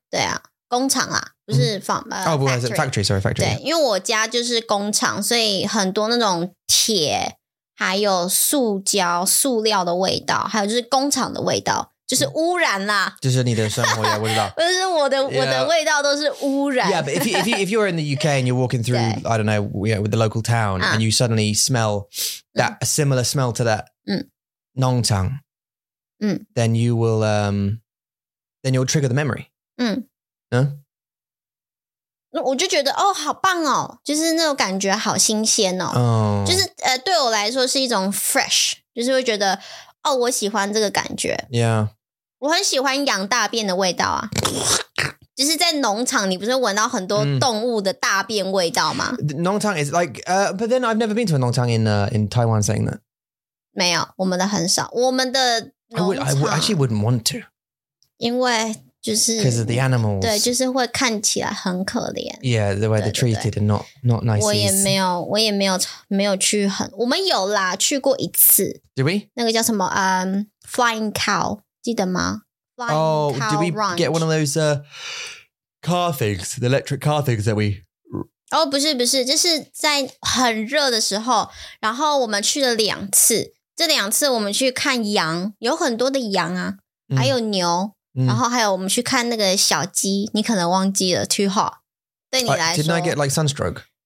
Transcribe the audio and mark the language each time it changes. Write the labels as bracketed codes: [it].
[zh] 对啊工厂啊不是 farm,、mm-hmm. [en] Oh, factory. Factory, sorry, factory. [zh] 对、 [en] yeah. [zh] 因为我家就是工厂所以很多那种铁还有塑胶塑料的味道还有就是工厂的味道就是污染啦。就是你的生活也味道。就是我的味道都是污染。 [en] Yeah, but if you're in the UK and you're walking through, I don't know, yeah, with the local town,、and you suddenly smell that,、a similar smell to that,、农场。 Then you will, then you'll trigger the memory. [zh] 我就觉得哦，好棒哦，就是那种感觉好新鲜哦。就是对我来说是一种 fresh， 就是会觉得哦，我喜欢这个感觉。 [en] Yeah， [zh] 我很喜欢羊大便的味道啊。就是在农场，你不是闻到很多动物的大便味道吗？ [en] 农场 is like, but then I've never been to a 农场 in Taiwan. Saying that， [zh] 没有，我们的很少，我们的。 [en] I actually wouldn't want to. [zh] 因为就是 [en] Because of the animals. [zh] 对就是会看起来很可怜。 [en] Yeah, the way they're treated and not nice. [zh] 我也没有去很我们有啦去过一次。 [en] Did we? [zh] 那个叫什么Flying Cow, 记得吗 [en] Flying Cow Ranch. Oh, did we get one of those car things, the electric car things that we... [zh] 哦、 [en] oh, [zh] 不是不是就是在很热的时候然后我们去了两次。这两次我们去看羊有很多的羊啊还有牛然后还有我们去看那个小鸡你可能忘记了 [en] too hot. [zh] 对你来说。 [en] Didn't I get like sunstroke?